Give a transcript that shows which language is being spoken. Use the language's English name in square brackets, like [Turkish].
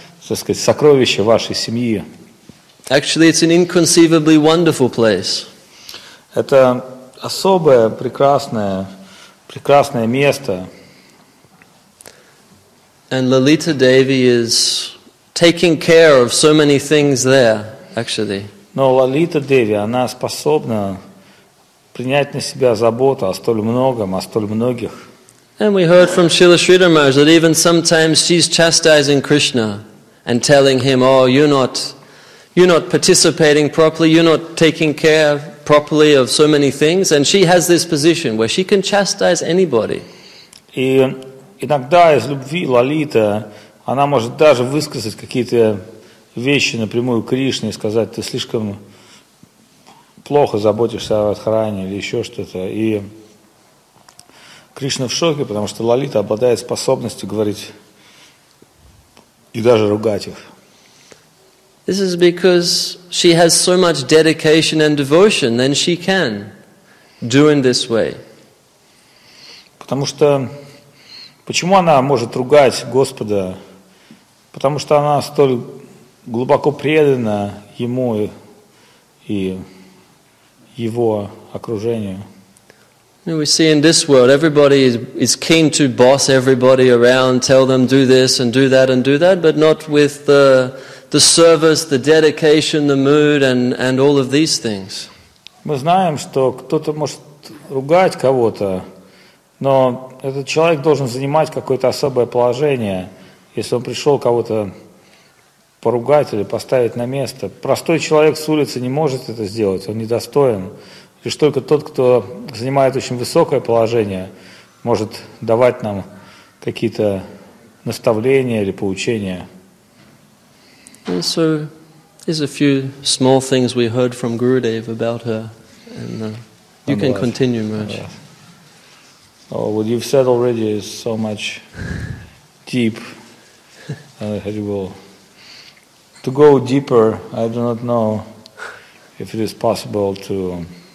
[Russian] что сказать, сокровище вашей семьи. [English] Actually, it's an inconceivably wonderful place. [Russian] Это особое, прекрасное, прекрасное место. [English] And Lalita Devi is taking care of so many things there, actually. [Russian] Но Лалита Деви, она способна принять на себя заботу о столь многом, о столь многих. [English] And we heard from Srila Sridhar Maharaj that even sometimes she's chastising Krishna and telling him, oh, you're not participating properly, you're not taking care properly of so many things. And she has this position where she can chastise anybody. [Russian] И иногда из любви Лалита, она может даже высказать какие-то вещи напрямую Кришне и сказать, ты слишком плохо заботишься о Радхаране или еще что-то. И Кришна в шоке, потому что Лалита обладает способностью говорить и даже ругать их. [English] This is because she has so much dedication and devotion, then she can do in this way. [Russian] Потому что почему она может ругать Господа? Потому что она столь глубоко предана ему и его окружению. [English] We see in this world everybody is keen to boss everybody around, tell them do this and do that, but not with the service, the dedication, the mood and all of these things. [Russian] Мы знаем, что кто-то может ругать кого-то, но этот человек должен занимать какое-то особое положение, если он пришел кого-то поругать или поставить на место. Простой человек с улицы не может это сделать, он недостоин. Лишь только тот, кто занимает очень высокое положение, может давать нам какие-то наставления или поучения. [English] And so, there's a few small things we heard from Gurudev about her. And you can continue, Maharaj. Oh, what you've said already is so much deep. To go deeper, I do not know if it is possible to...